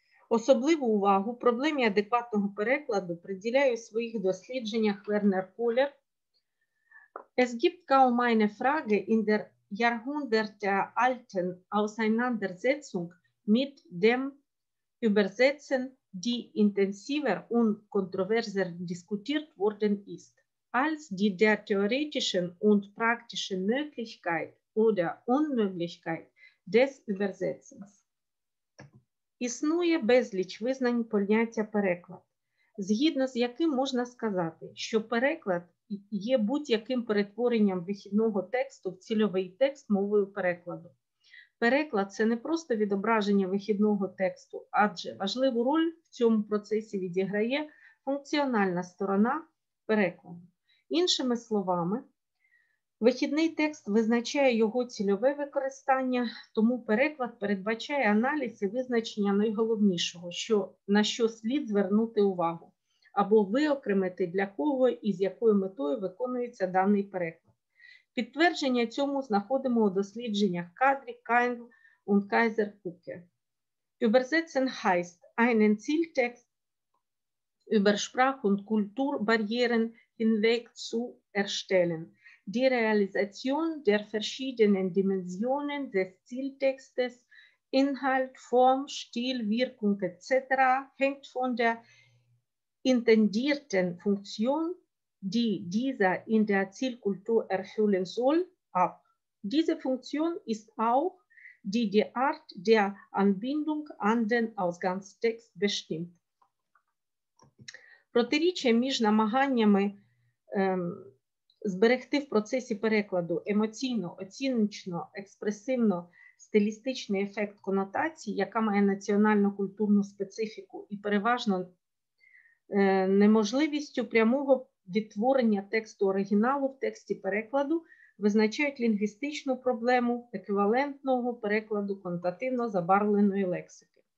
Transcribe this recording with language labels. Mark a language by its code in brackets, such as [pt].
[uk] Особливу увагу проблемі адекватного перекладу приділяє у своїх дослідженнях Вернер Колєр. [de] Es gibt kaum eine Frage in der Jahrhundert der alten Auseinandersetzung mit dem Übersetzen, die intensiver und kontroverser diskutiert worden ist, als die der theoretischen und praktischen Möglichkeit oder Unmöglichkeit des Übersetzens. [uk] Існує безліч визнань поняття переклад, згідно з яким можна сказати, що переклад є будь-яким перетворенням вихідного тексту в цільовий текст мовою перекладу. Переклад – це не просто відображення вихідного тексту, адже важливу роль в цьому процесі відіграє функціональна сторона перекладу. Іншими словами, вихідний текст визначає його цільове використання, тому переклад передбачає аналіз і визначення найголовнішого, що, на що слід звернути увагу, або виокремити для кого і з якою метою виконується даний переклад. Підтвердження цьому знаходимо у дослідженнях Кадрі, Кайн і Кайзер Куке. [de] Übersetzen heißt einen Zieltext über Sprach- und Kulturbarrieren hinweg zu erstellen. Die Realisation der verschiedenen Dimensionen des Zieltextes, Inhalt, Form, Stil, Wirkung etc. hängt von der intendierten Funktion, die dieser in der Zielkultur erfüllen soll, ab. Diese Funktion ist auch, die die Art der Anbindung an den Ausgangstext bestimmt. [uk] Протиріччя між намаганнями зберегти в процесі перекладу емоційно, оціночно, експресивно, стилістичний ефект конотації, яка має національно-культурну специфіку і переважно неможливістю прямого відтворення тексту оригіналу в тексті перекладу, визначають лінгвістичну проблему еквівалентного перекладу конотативно забарвленої лексики.